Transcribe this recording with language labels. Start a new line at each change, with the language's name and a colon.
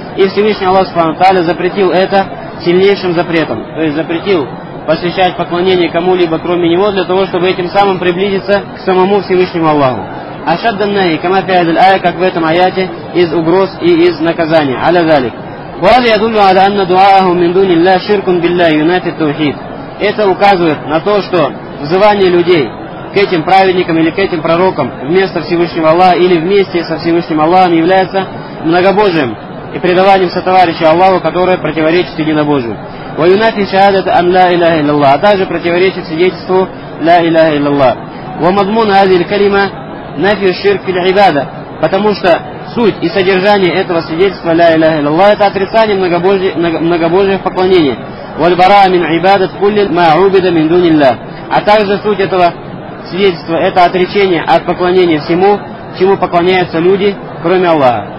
Russian: И Всевышний Аллах Субхану Тааля запретил это сильнейшим запретом. То есть запретил посвящать поклонение кому-либо, кроме него, для того, чтобы этим самым приблизиться к самому Всевышнему Аллаху.
Arabic: «Ашаддан наи, кама фи азиль айя»,
Russian: как в этом аяте, из угроз и из наказания,
Arabic: аля залика. وهذا يدل على أن دعاءهم من دون الله شرك بالله ينافي التوحيد.
Russian: Это указывает на то, что взывание людей к этим праведникам или к этим пророкам вместо Всевышнего Аллаха или вместе со Всевышним Аллахом является многобожием и предаванием сотоварища Аллаху, которое противоречит единобожию.
Arabic: وينافي شهادة أن لا إله إلا الله,
Russian: а также противоречит свидетельству
Arabic: لا إله إلا الله. ومضمون هذه الكلمة نفي الشرك في العبادة,
Russian: потому что суть и содержание этого свидетельства «Ля Илляха Илляллах» — это отрицание многобожия в поклонении.
Arabic: «Вальбараа мин ибадат куллин ма убида мин дуниллах».
Russian: А также суть этого свидетельства — это отречение от поклонения всему, чему поклоняются люди, кроме Аллаха.